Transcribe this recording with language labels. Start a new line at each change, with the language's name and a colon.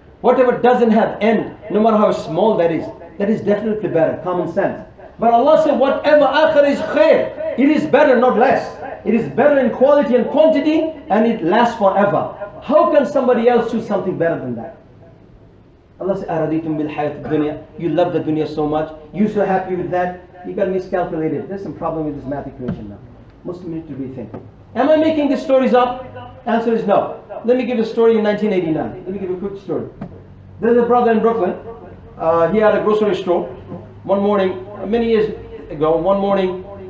English: Whatever doesn't have end, no matter how small that is definitely better, common sense. But Allah said, whatever akhir is khair, it is better, not less. It is better in quality and quantity, and it lasts forever. How can somebody else choose something better than that? Allah says,
Arabic: أَرَضِيْتُمْ بِالْحَيَةِ الدُّنْيَا.
English: You love the dunya so much. You're so happy with that. You got miscalculated. There's some problem with this math equation now. Muslims need to rethink. Am I making these stories up? Answer is no. Let me give a story in 1989. Let me give a quick story. There's a brother in Brooklyn. He had a grocery store. One morning, many years ago, one morning,